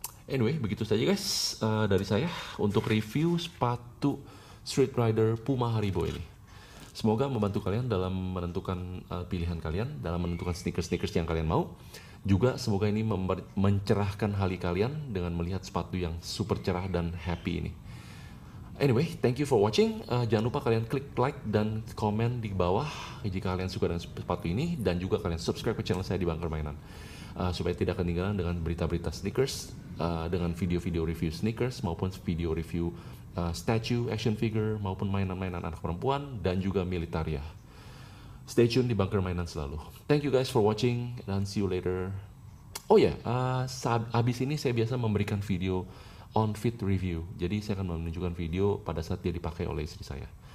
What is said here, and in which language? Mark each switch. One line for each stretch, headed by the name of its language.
Indonesian: Anyway, begitu saja guys dari saya untuk review sepatu Street Rider Puma Haribo ini. Semoga membantu kalian dalam menentukan pilihan kalian, dalam menentukan sneakers-sneakers yang kalian mau. Juga semoga ini mencerahkan hati kalian dengan melihat sepatu yang super cerah dan happy ini.
English: Anyway, thank you for watching.
Indonesian: Jangan lupa kalian klik like dan komen di bawah jika kalian suka dengan sepatu ini. Dan juga kalian subscribe ke channel saya di Bunker Mainan. Supaya tidak ketinggalan dengan berita-berita sneakers, dengan video-video review sneakers, maupun video review statue, action figure, maupun mainan-mainan anak perempuan, dan juga militaria.
English: Stay tune di Bunker Mainan selalu. Thank you guys for watching, and see you later.
Indonesian: Oh ya, abis ini saya biasa memberikan video on fit review. Jadi saya akan menunjukkan video pada saat dia dipakai oleh istri saya.